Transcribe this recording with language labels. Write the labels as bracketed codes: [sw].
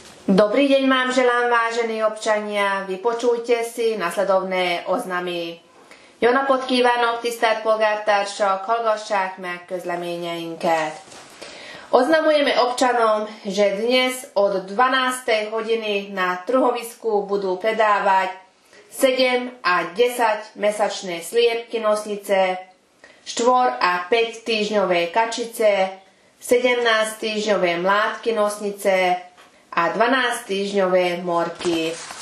[sk] Dobrý deň vám želám, vážení občania. Vypočujte si nasledovné oznamy. [hu] Jó napot kívánok, tisztelt polgártársak, hallgassák meg közleményeinket. [sk] Oznamujeme občanom, že dnes od 12. hodiny na trhovisku budú predávať 7 a 10 mesačné sliepky nosnice, 4 a 5 týždňové kačice, 17 týždňové mládky nosnice a 12 týždňové morky.